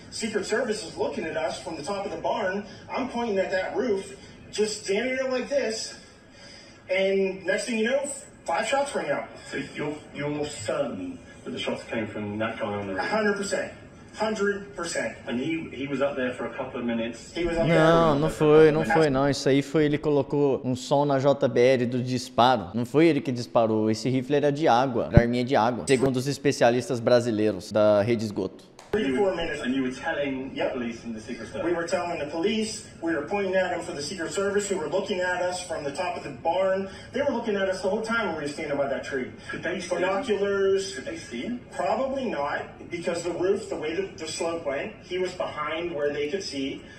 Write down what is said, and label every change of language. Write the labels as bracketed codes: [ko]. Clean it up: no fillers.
[en] Secret Service is looking at us from the top of the barn. I'm pointing at that roof, just standing there like this. And next thing you know, 5 shots rang out. So your son that the shots came from that guy on the right? 100%. 100%. And he was up there for a couple of minutes. He was up [pt] não, [en] there [pt] não foi, não foi não. Isso aí foi ele colocou um som na JBL do disparo. Não foi ele que disparou. Esse rifle era de água, era arminha de água. Segundo os especialistas brasileiros da rede esgoto. [en] 3-4 minutes. And you were telling the police in the Secret Service. We were telling the police, we were pointing at him for the Secret Service, who were looking at us from the top of the barn. They were looking at us the whole time when we were standing by that tree. Could they see binoculars? Could they see him? Probably not, because the roof, the way the slope went, he was behind where they could see.